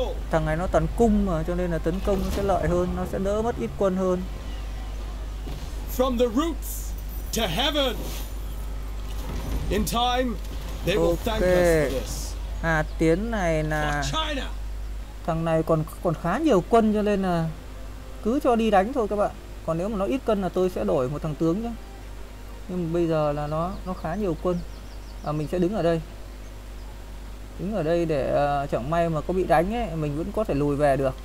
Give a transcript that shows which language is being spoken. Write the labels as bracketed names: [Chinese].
[Vietnamese] Thằng này nó toàn cung mà, cho nên là tấn công nó sẽ lợi hơn, nó sẽ đỡ mất ít quân hơn. [English] From the roots to heaven. In time they will thank us for this. [Vietnamese] À, tiến này là China. Thằng này còn khá nhiều quân cho nên là cứ cho đi đánh thôi các bạn. Còn nếu mà nó ít cân là tôi sẽ đổi một thằng tướng nhé. Nhưng mà bây giờ là nó khá nhiều quân. À, mình sẽ đứng ở đây. Đứng ở đây để chẳng may mà có bị đánh ấy, mình vẫn có thể lùi về được.